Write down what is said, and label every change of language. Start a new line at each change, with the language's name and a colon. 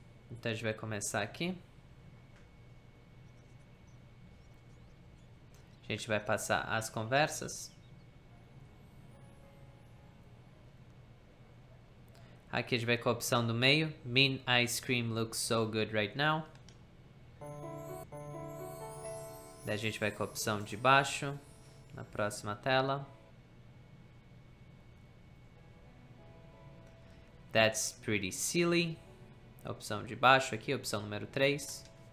Portuguese: Então a gente vai começar aqui. A gente vai passar as conversas. Aqui a gente vai com a opção do meio.
English: Mean ice cream looks so good right now.
Portuguese: Daí a gente vai com a opção de baixo. Na próxima tela.
English: That's pretty silly.
Portuguese: Opção de baixo aqui, opção número 3.